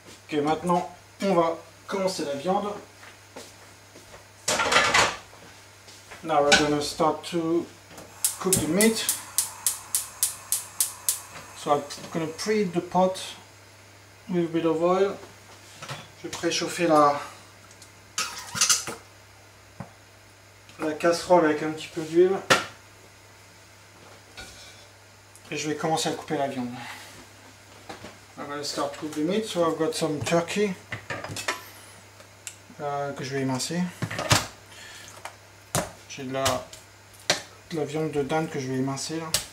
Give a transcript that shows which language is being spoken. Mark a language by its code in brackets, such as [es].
[fr] Et maintenant, on va commencer la viande. [en] Now we're gonna start to cook the meat. So I'm gonna preheat the pot with a bit of oil. [fr] Je vais préchauffer la casserole avec un petit peu d'huile. Et je vais commencer à couper la viande. [en] I'm going to start cooking the meat, so I've got some turkey [fr] que je vais émincer. J'ai de la viande de dinde que je vais émincer là.